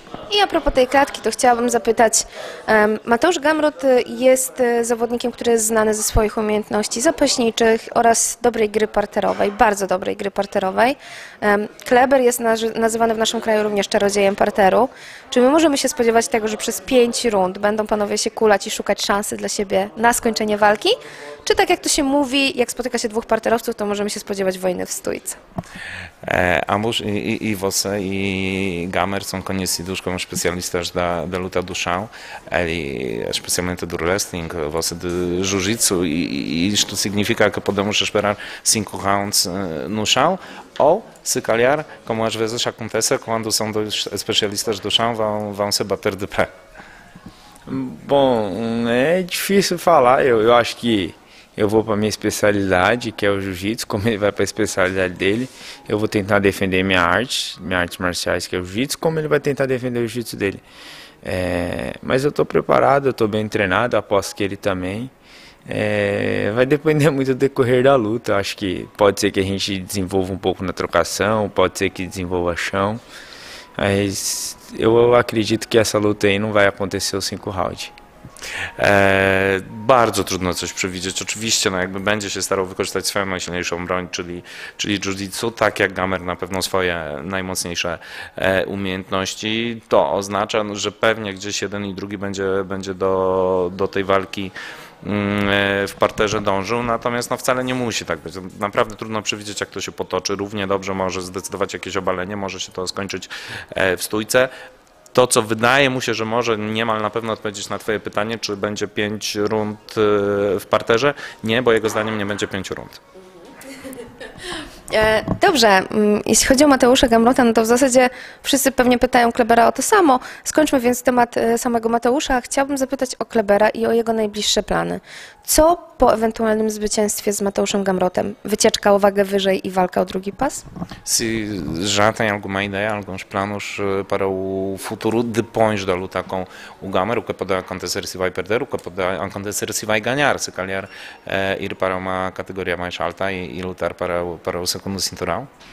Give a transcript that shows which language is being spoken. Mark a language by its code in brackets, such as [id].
[pl] I a propos tej klatki, to chciałabym zapytać. Mateusz Gamrot jest zawodnikiem, który jest znany ze swoich umiejętności zapaśniczych oraz dobrej gry parterowej, bardzo dobrej gry parterowej. Kleber jest nazywany w naszym kraju również czarodziejem parteru. Czy my możemy się spodziewać tego, że przez 5 rund będą panowie się kulać i szukać szansy dla siebie na skończenie walki? Czy tak jak to się mówi, jak spotyka się dwóch parterowców, to możemy się spodziewać wojny w stójce? [pt] Ambos i você i Gamer są conhecidos como especialistas da luta do chão, ali especialmente do wrestling, você de jiu-jitsu, e isto significa que podemos esperar 5 rounds no chão. Ou, se calhar, como às vezes acontece, quando são dois especialistas do chão, vão se bater de pé. Bom, é difícil falar, eu acho que eu vou para a minha especialidade, que é o jiu-jitsu, como ele vai para a especialidade dele, eu vou tentar defender minhas artes marciais, que é o jiu-jitsu, como ele vai tentar defender o jiu-jitsu dele. Mas eu estou preparado, eu estou bem treinado, aposto que ele também. Vai depender muito do decorrer da luta. Acho que pode ser que a gente desenvolva um pouco na trocação, pode ser que desenvolva chão, mas eu acredito que essa luta aí não vai acontecer os 5 rounds. [pl] Bardzo trudno coś przewidzieć. Oczywiście, jakby będzie się starał wykorzystać swoją najsilniejszą broń, czyli jiu-jitsu, tak jak Gamer na pewno swoje najmocniejsze umiejętności, to oznacza, że pewnie gdzieś jeden i drugi będzie do tej walki w parterze dążył, natomiast wcale nie musi tak być. Naprawdę trudno przewidzieć, jak to się potoczy. Równie dobrze może zdecydować jakieś obalenie, może się to skończyć w stójce. To, co wydaje mu się, że może niemal na pewno odpowiedzieć na twoje pytanie, czy będzie 5 rund w parterze, nie, bo jego zdaniem nie będzie 5 rund. Dobrze, jeśli chodzi o Mateusza Gamrota, no to w zasadzie wszyscy pewnie pytają Klebera o to samo. Skończmy więc temat samego Mateusza. Chciałbym zapytać o Klebera i o jego najbliższe plany. Co po ewentualnym zwycięstwie z Mateuszem Gamrotem? Wycieczka o wagę wyżej i walka o drugi pas? [pt] Si, já tenho alguma ideia, alguns planos para o futuro depois da luta com o Gamer, o que pode acontecer se vai perder, o que pode acontecer se vai ganhar, se calhar ir para uma categoria mais alta e lutar para o segundo cinturão?